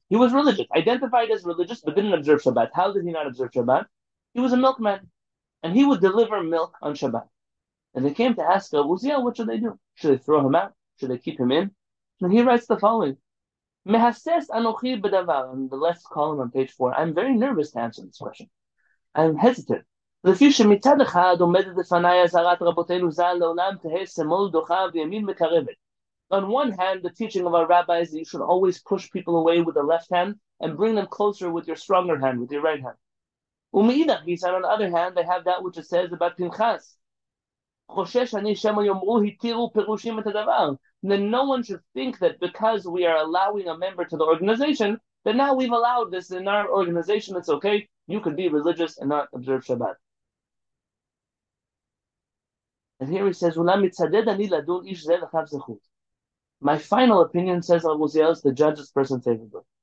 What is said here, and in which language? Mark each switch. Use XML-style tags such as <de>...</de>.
<en>He was religious, identified as religious, but didn't observe Shabbat. How did he not observe Shabbat? He was a milkman. and he would deliver milk on Shabbat. And they came to ask Abu Uzziah, what should they do? Should they throw him out? Should they keep him in? And he writes the following:</en> <he>Mehasses anochi bedavar,</he> <en>in the left column on page 4, I'm very nervous to answer this question. I'm hesitant.</en> <he>לפי שמצד אחד עומדת לפניי אזהרת רבותינו ז"ל לעולם תהא שמאל דוחה וימין מקרבת.</he> <en>On one hand, the teaching of our rabbis that you should always push people away with the left hand and bring them closer with your stronger hand, with your right hand.</en> <he>ומאידך,</he> <en>he said, on the other hand, they have that which it says about Pinchas.</en> <he>חושש אני שמא יאמרו התירו פירושים את הדבר.</he> <en>Then no one should think that because we are allowing a member to the organization, that now we've allowed this in our organization, it's okay. You could be religious and not observe Shabbat. And here he says,</en> <he>Ulam mitzaded ani ladun ish zeh lechav zechut.</he> <en>My final opinion, says Abu Uziel, is to judge this person favorably.</en>